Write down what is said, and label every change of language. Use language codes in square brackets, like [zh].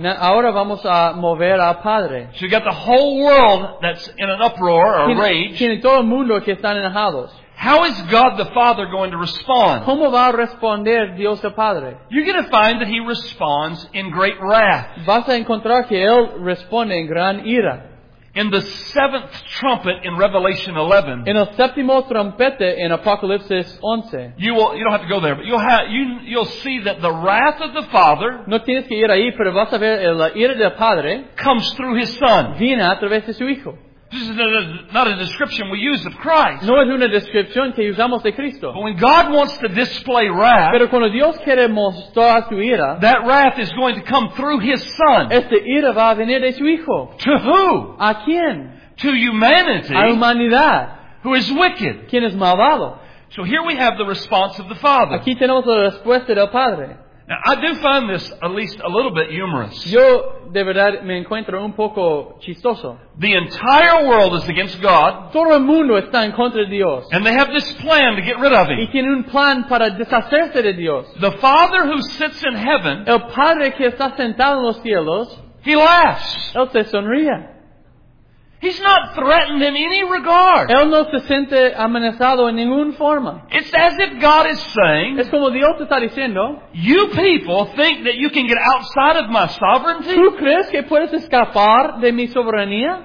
[es] Ahora vamos a mover al Padre. [en] So you got the whole world that's in an uproar or [es] tiene, [en] rage. [es] Tiene todo el mundo que están enojados. [en] How is God the Father going to respond? [es] ¿Cómo va a responder Dios el Padre? [en] You're going to find that He responds in great wrath. [es] Vas a encontrar que él responde en gran ira. [en] In the seventh trumpet in Revelation 11. [es] En el séptimo trompeta en Apocalipsis 11. [en] You don't have to go there, but you'll see that the wrath of the Father. [es] No tienes que ir ahí, pero vas a ver la ira del Padre. [en] Comes through His Son. [es] Viene a través de su hijo. [en] This is not a description we use of Christ. [es] No es una descripción que usamos de Cristo. [en] But when God wants to display wrath, [es] pero cuando Dios quiere mostrar su ira, [en] that wrath is going to come through His Son. [es] Esta ira va a venir de su hijo. [en] To who? [es] ¿A quién? [en] To humanity. [es] A humanidad. [en] Who is wicked? [es] ¿Quién es malvado? [en] So here we have the response of the Father. [es] Aquí tenemos la respuesta del Padre. [en] Now I do find this at least a little bit humorous. [es] Yo de verdad me encuentro un poco chistoso. [en] The entire world is against God. [es] Todo el mundo está en contra de Dios. [en] And they have this plan to get rid of Him. [es] Y tienen un plan para deshacerse de Dios. [en] The Father who sits in heaven. [es] El Padre que está sentado en los cielos. [en] He laughs. [es] Él se sonríe. [en] He's not threatened in any regard. [es] Él no se siente amenazado en ninguna forma. [en] It's as if God is saying, [es] es como Dios está diciendo, [en] you people think that you can get outside of my sovereignty? [es] ¿Tú crees que puedes escapar de mi soberanía?